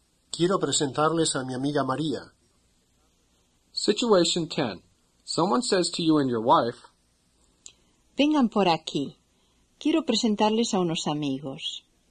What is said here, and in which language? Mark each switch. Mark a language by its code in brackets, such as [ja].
[es] Quiero presentarles a mi amiga María. [en] Situation 10. Someone says to you and your wife, [es] Vengan por aquí. Quiero presentarles a unos amigos.